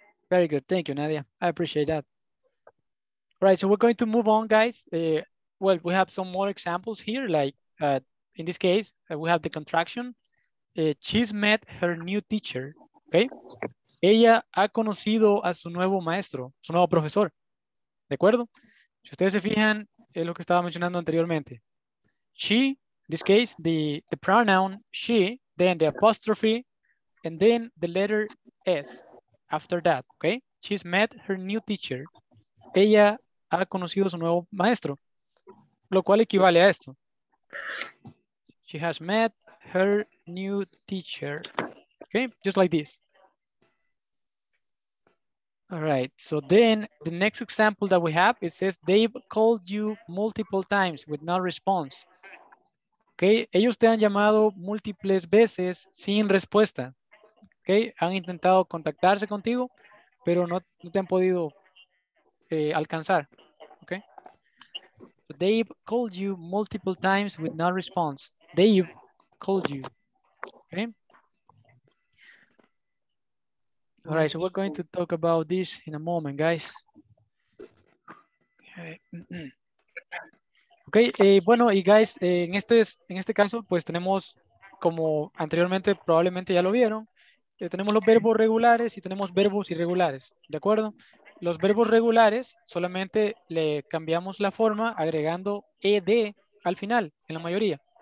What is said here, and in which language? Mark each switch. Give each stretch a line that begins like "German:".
English: Very good. Thank you, Nadia. I appreciate that. All right, so we're going to move on, guys. Well, we have some more examples here, like in this case, we have the contraction. She's met her new teacher. Okay.
Spanish: Ella ha conocido a su nuevo maestro, su nuevo profesor. ¿De acuerdo? Si ustedes se fijan, es lo que estaba mencionando anteriormente.
English: She, in this case, the pronoun she, then the apostrophe, and then the letter S after that.
Spanish: Okay.
English: She's met her new teacher.
Spanish: Ella ha conocido a su nuevo maestro. Lo cual equivale a esto.
English: She has met her new teacher. Okay, just like this. All right, so then the next example that we have, it says they've called you multiple times with no response.
Spanish: Okay, ellos te han llamado múltiples veces sin respuesta. Okay, han intentado contactarse contigo, pero no te han podido alcanzar. Okay.
English: So they've called you multiple times with no response. They've called you. Okay. All right, so we're going to talk about this in a moment, guys.
Spanish: Okay, bueno, y guys, en este caso, pues tenemos, como anteriormente probablemente ya lo vieron, tenemos los verbos regulares y tenemos verbos irregulares, ¿de acuerdo? Los verbos regulares solamente le cambiamos la forma agregando ed al final, en la mayoría.